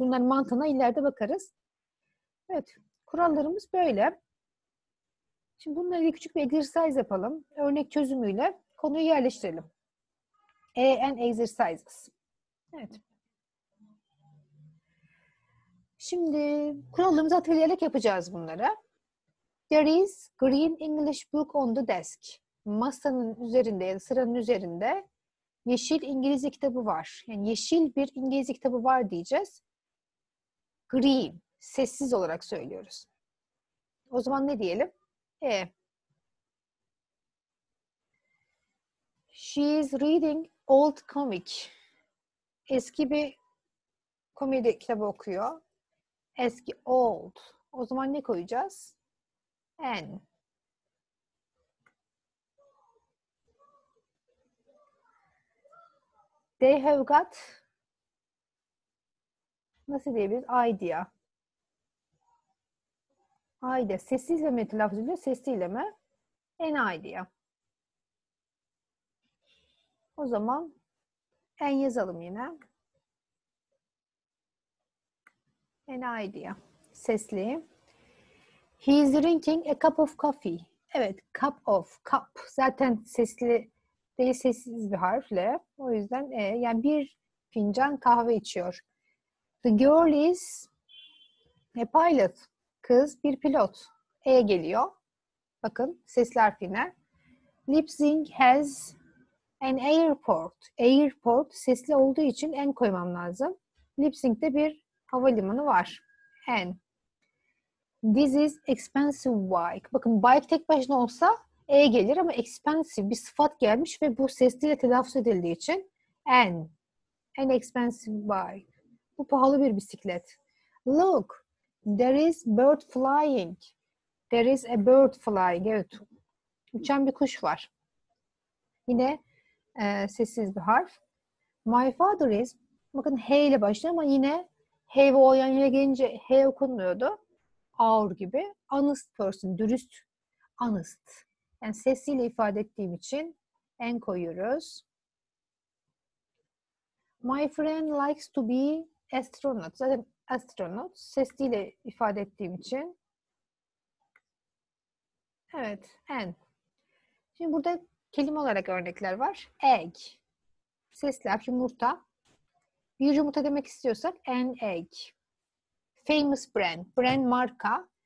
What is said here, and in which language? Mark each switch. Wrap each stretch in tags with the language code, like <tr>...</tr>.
<tr>Bunların mantığına ileride bakarız. Evet, kurallarımız böyle. Şimdi bununla ilgili küçük bir exercise yapalım. Örnek çözümüyle konuyu yerleştirelim.</tr> <en>And exercises.</en> <tr>Evet. Şimdi kurallarımızı hatırlayarak yapacağız bunları.</tr> <en>There is green English book on the desk.</en> <tr>Masanın üzerinde, yani sıranın üzerinde yeşil İngilizce kitabı var. Yani yeşil bir İngilizce kitabı var diyeceğiz. Green, sessiz olarak söylüyoruz. O zaman ne diyelim?</tr> <en>She is reading old comic.</en> <tr>Eski bir komedi kitabı okuyor. Eski old. O zaman ne koyacağız? An.</tr> <en>They have got,</en> <tr>nasıl diyebiliriz?</tr> <en>Idea.</en> <tr>Idea. Sessizle mi telaffuz ediyor? Sessizle mi?</tr> <en>An idea.</en> <tr>O zaman an yazalım yine.</tr> <en>An idea.</en> <tr>Sesli.</tr> <en>He is drinking a cup of coffee.</en> <tr>Evet.</tr> <en>Cup of. Cup.</en> <tr>Zaten sesli değil, sessiz bir harfle. O yüzden yani bir fincan kahve içiyor.</tr> <en>The girl is a pilot.</en> <tr>Kız bir pilot. E geliyor. Bakın sesli harfine.</tr> <en>Leipzig has an airport.</en> <tr>Airport sesli olduğu için en koymam lazım. Leipzig'de bir havalimanı var. An.</tr> <en>This is expensive bike.</en> <tr>Bakın bike tek başına olsa E gelir ama expensive bir sıfat gelmiş ve bu sesliyle telaffuz edildiği için an.</tr> <en>An expensive bike.</en> <tr>Bu pahalı bir bisiklet.</tr> <en>Look, there is bird flying. There is a bird flying.</en> <tr>Evet, uçan bir kuş var. Yine sessiz bir harf.</tr> <en>My father is,</en> <tr>bakın H ile başlıyor ama yine H ve O yan yana gelince H okunmuyordu. Ağır gibi.</tr> <en>Honest person,</en> <tr>dürüst. Honest. Yani sesiyle ifade ettiğim için en koyuyoruz.</tr> <en>My friend likes to be astronaut.</en> <tr>Zaten astronaut sesiyle ifade ettiğim için. Evet, en. Şimdi burada kelime olarak örnekler var. Egg. Sesli harf yumurta. Bir yumurta demek istiyorsak</tr> <en>an egg. Famous brand.</en> <tr>Brand marka.</tr>